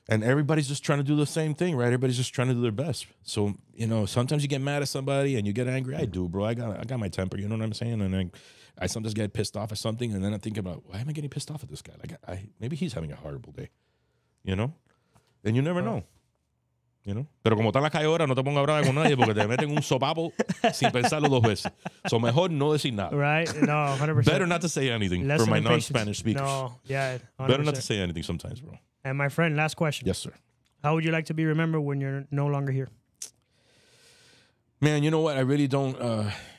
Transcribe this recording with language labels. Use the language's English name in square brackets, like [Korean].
[English] And everybody's just trying to do the same thing, right? Everybody's just trying to do their best. So, you know, sometimes you get mad at somebody and you get angry. I do, bro. I got my temper, you know what I'm saying? And I sometimes get pissed off at something and then I think about, why am I getting pissed off at this guy? Like, maybe he's having a horrible day, you know? And you never know, you know? [Spanish] Pero como está la calle ahora, no te pongas bravo con nadie porque te meten un sopapo sin pensarlo dos veces. So mejor no decir nada. [English] Right? No, 100%. Better not to say anything for my non-Spanish speakers. No, yeah, 100%. Better not to say anything sometimes, bro. And my friend, last question. Yes, sir. How would you like to be remembered when you're no longer here? Man, you know what? I really don't.